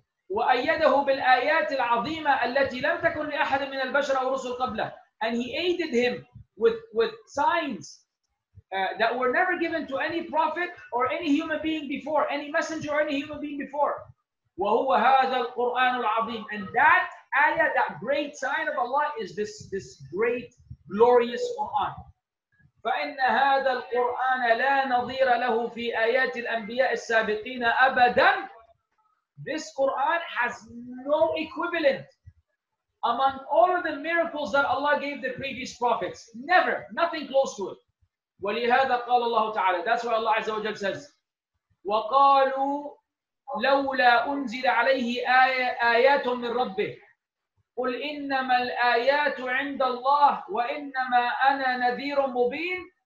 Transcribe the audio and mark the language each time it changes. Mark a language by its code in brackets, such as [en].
[ar] وأيده بالآيات العظيمة التي لم تكن لأحد من البشر أو رسل قبله. [en] And he aided him with signs that were never given to any prophet or any human being before, any messenger or any human being before. [ar] وهو هذا القرآن العظيم. [en] And that ayah, that great sign of Allah, is this great glorious Quran. [ar] فإن هذا القرآن لا نظير له في آيات الأنبياء السابقين أبدا. [en] This Quran has no equivalent among all of the miracles that Allah gave the previous prophets. Never, nothing close to it. [ar] وَلِهَذَا قَالَ اللَّهُ تَعَالَى. [en] That's why Allah Azza wa Jalla says, [ar] وَقَالُوا لَوْلَا أُنزِلَ عَلَيْهِ آيَاتٌ مِّن رَبِّهِ قُلْ إِنَّمَا الْآيَاتُ عِنْدَ اللَّهِ وَإِنَّمَا أَنَا نَذِيرٌ مُّبِينٌ.